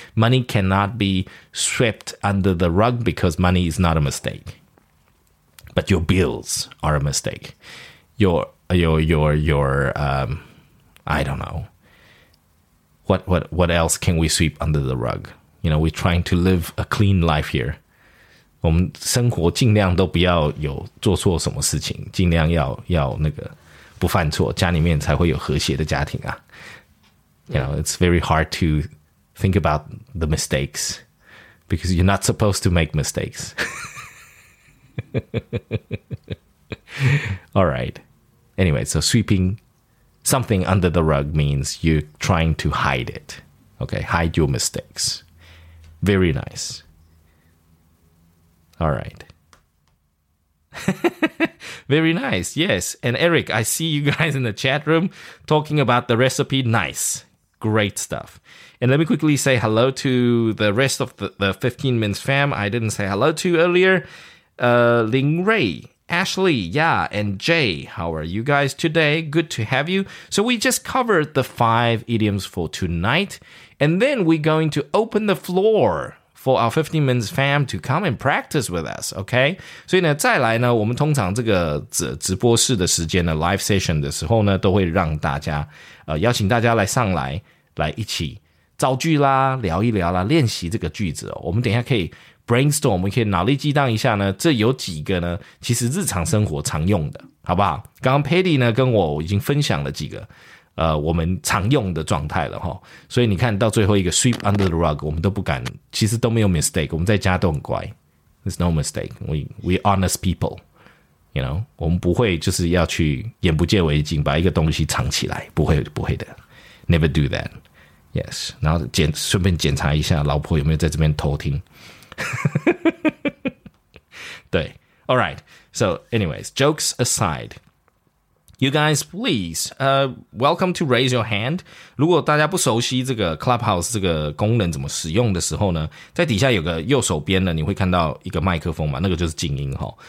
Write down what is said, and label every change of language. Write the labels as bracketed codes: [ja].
[en] Money cannot be swept under the rug because money is not a mistake. But your bills are a mistake. I don't know. What else can we sweep under the rug? You know, we're trying to live a clean life here. [zh] 我们生活尽量都不要有做错什么事情，尽量要那个不犯错，家里面才会有和谐的家庭啊。 [en] You know, it's very hard to think about the mistakes because you're not supposed to make mistakes. All right. Anyway, so sweeping something under the rug means you're trying to hide it. Okay, hide your mistakes. Very nice. All right. Very nice, yes. And Eric, I see you guys in the chat room talking about the recipe. Nice. Great stuff. And let me quickly say hello to the rest of the 15 Minutes fam I didn't say hello to earlier. Ling Ray, Ashley, yeah, and Jay, how are you guys today? Good to have you. So we just covered the five idioms for tonight, and then we're going to open the floor for our 15 Minutes fam to come and practice with us, okay? [zh] 所以呢，再来呢，我们通常这个直播室的时间呢 ， [en] live session [zh] 的时候呢，都会让大家邀请大家来上来，来一起造句啦，聊一聊啦，练习这个句子哦。我们等一下可以 brainstorm， 我们可以脑力激荡一下呢。这有几个呢，其实日常生活常用的，好不好？刚刚 Paddy 呢跟我已经分享了几个。我们常用的状态了齁。所以你看到最后一个 [en] sweep under the rug, [zh] 我们都不敢，其实都没有 mistake, 我们在家都很乖。 [en] There's no mistake, we honest people, you know, [zh] 我们不会就是要去眼不见为净把一个东西藏起来，不会不会的。 [en] Never do that. Yes, [zh] 然后顺便检查一下老婆有没有在这边偷听。对 [en] ,alright, so anyways, jokes aside,You guys, please, welcome to raise your hand. [zh] 如果大家不熟悉这个 Clubhouse 这个功能怎么使用的时候呢，在底下有个右手边呢，你会看到一个麦克风嘛，那个就是静音齁。